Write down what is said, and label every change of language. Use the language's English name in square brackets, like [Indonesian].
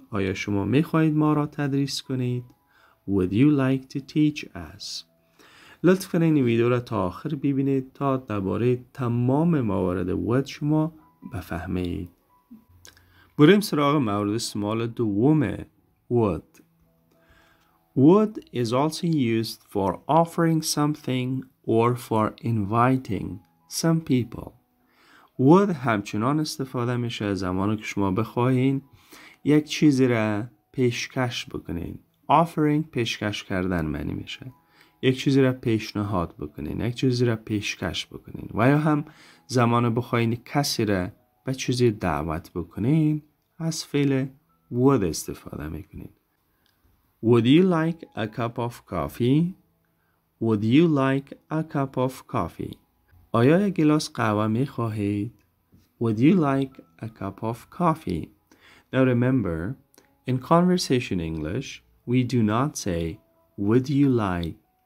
[Persian] آیا شما میخواید ما را تدریس کنید؟ [English] Would you like to teach us? [Persian] لطف کنید این ویدیو را تا آخر ببینید تا درباره تمام موارد would شما بفهمید. بریم سراغ مورد استعمال دوم would. [English] Would is also used for offering something or for inviting some people. [Persian] Would همچنان استفاده میشه زمانی که شما بخواهین یک چیزی را پیشکش بکنین. Offering پیشکش کردن معنی میشه. یک چیزی را پیشنهاد بکنین، یک چیزی را پیشکش بکنین و یا هم زمانی بخواهین کسی را به چیزی دعوت بکنین از فعل would استفاده میکنین. [English] Would you like a cup of coffee? Would you like a cup of coffee? [Persian] آیا یک گلاس قهوه می خواهید؟ [English] Would you like a cup of coffee? Now remember, in conversation English, we do not say, would you like?